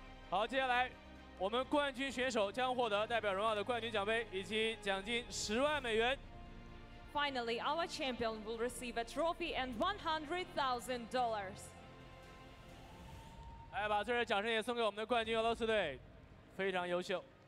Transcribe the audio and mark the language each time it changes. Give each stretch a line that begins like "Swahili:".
Chinese: 好，接下来我们冠军选手将获得代表荣耀的冠军奖杯以及奖金$100,000。
English: Finally, our champion will receive a trophy and $100,000.
Chinese: 来，把最热掌声也送给我们的冠军俄罗斯队，非常优秀。